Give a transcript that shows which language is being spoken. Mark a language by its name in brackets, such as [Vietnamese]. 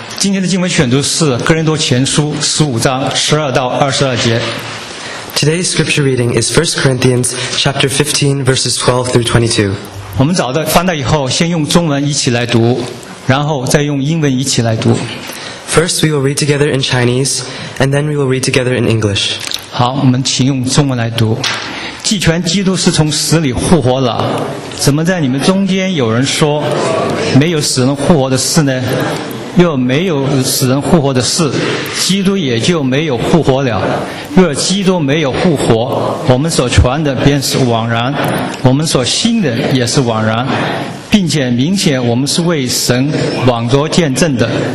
[Chinese] 今天的经文选读是《哥林多前书》十五章十二到二十二节。 [English] Today's scripture reading is 1 Corinthians chapter 15 verses 12 through 22. [Chinese] 我们找到翻到以后，先用中文一起来读，然后再用英文一起来读。 [English] First, we will read together in Chinese, and then we will read together in English. [Chinese] 好，我们请用中文来读。既全基督是从死里复活了，怎么在你们中间有人说没有死人复活的事呢？若没有死人复活的事，基督也就没有复活了。若基督没有复活，我们所传的便是枉然，我们所信的也是枉然，并且明显我们是为神枉作见证的。